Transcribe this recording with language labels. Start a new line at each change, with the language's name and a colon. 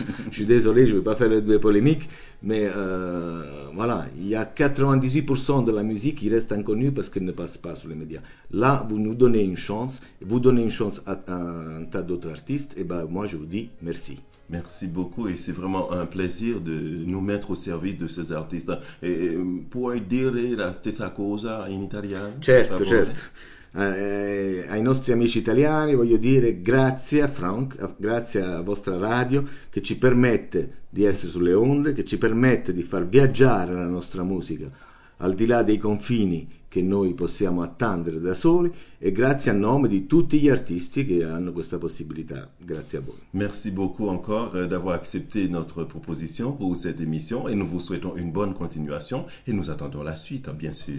French: Je suis désolé, je ne vais pas faire de polémique, mais voilà, il y a 98% de la musique qui reste inconnue parce qu'elle ne passe pas sur les médias. Là, vous nous donnez une chance, vous donnez une chance à un tas d'autres artistes, et ben moi, je vous dis merci. Merci beaucoup et c'est vraiment un plaisir de nous mettre au service de ces artistes.
Italian: Et puoi dire la stessa cosa in italiano? Certo, certo. Ai nostri amici italiani voglio dire grazie a Frank, grazie a vostra radio che ci permette di essere sulle onde, che ci permette di far viaggiare la nostra musica al di là dei confini che noi possiamo attendere da soli e grazie a nome di tutti gli artisti che hanno questa possibilità. Grazie a voi.
French: Merci beaucoup encore d'avoir accepté notre proposition pour cette émission et nous vous souhaitons une bonne continuation et nous attendons la suite, bien sûr.